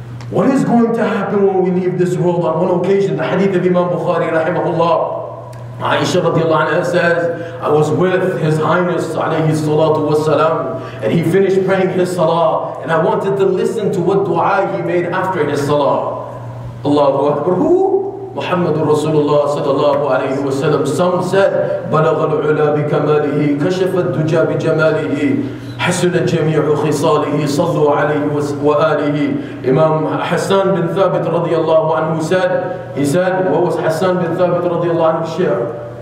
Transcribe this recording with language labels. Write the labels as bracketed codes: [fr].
[en] What is going to happen when we leave this world? On one occasion, the hadith of Imam Bukhari rahimahullah, Aisha radiallahu anha says, I was with His Highness alayhi salatu wasalam, and he finished praying his salah, and I wanted to listen to what dua he made after his salah. Allahu Akbar, who? Muhammadur Rasulullah sallallahu alayhi wasalam. Some said, [ar] بَلَغَ الْعُلَى بِكَمَالِهِ كَشَفَ الدُّجَى بِجَمَالِهِ حَسُنَ جَمِيعُ خِصَالِهِ صَلُّوا عَلَيْهِ وَآلِهِ. [en] Imam Hassan bin Thabit radiallahu anhu said, he said, what was Hassan bin Thabit radiallahu anhu share?